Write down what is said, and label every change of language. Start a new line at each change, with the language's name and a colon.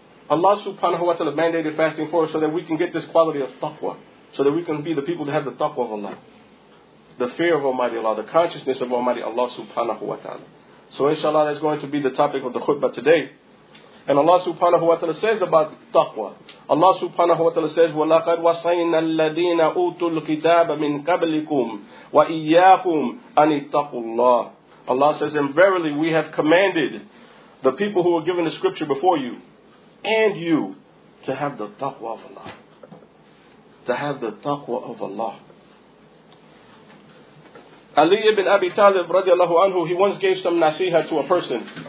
English: Allah subhanahu wa ta'ala mandated fasting for us so that we can get this quality of taqwa, so that we can be the people that have the taqwa of Allah, the fear of Almighty Allah, the consciousness of Almighty Allah subhanahu wa ta'ala. So inshallah, that's going to be the topic of the khutbah today. And Allah subhanahu wa ta'ala says about taqwa. Allah subhanahu wa ta'ala says,
Arabic: وَلَقَدْ وَصَيْنَا الَّذِينَ أُوتُوا الْكِتَابَ مِنْ قَبْلِكُمْ وَإِيَّاكُمْ أَنِ اتَّقُوا اللَّهِ.
English: Allah says, and verily we have commanded the people who were given the scripture before you and you to have the taqwa of Allah. To have the taqwa of Allah. Ali ibn Abi Talib radiallahu anhu, he once gave some nasiha to a person.